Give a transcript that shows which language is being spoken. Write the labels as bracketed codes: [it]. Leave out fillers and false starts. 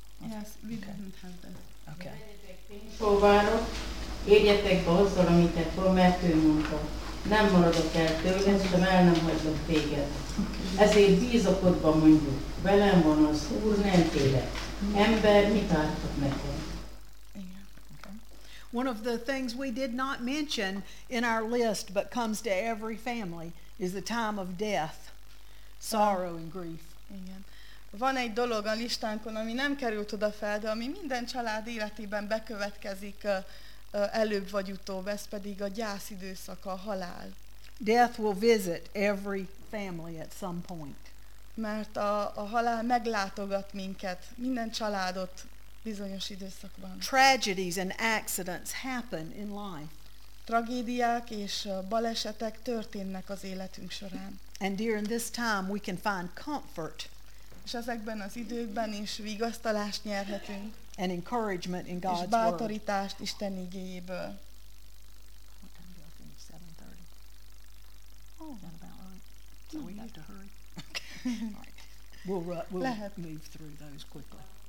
[en] Yes, we didn't have that. Okay. [hu] Fóvárok, érjetek be azzal, amit egy formertő mondta. Nem maradok el tőle, sem el nem hagylok téged. Ezért bízakodban mondjuk, velem van az Úr, nem télek. Ember, mit ártok nekem? [en] One of the things we did not mention in our list but comes to every family is the time of death, sorrow and grief. [hu] Igen. Van egy dolog a listánkon, ami nem került oda fel, de ami minden család életében bekövetkezik előbb vagy utóbb, ez pedig a gyász időszaka, a halál. [en] Death will visit every family at some point. [hu] Mert a halál meglátogat minket, minden családot. Bizonyos időszakban. [en] Tragedies and accidents happen in life. [hu] Tragédiák és balesetek történnek az életünk során. [en] And during this time we can find comfort. [hu] És ezekben az időkben is vigasztalást nyerhetünk. [en] And encouragement in God's word. [hu] És bátorítást Isten igéjéből. [en] What time do I finish? 7:30. Oh, that about right. So we got to hurry. We'll move through those quickly.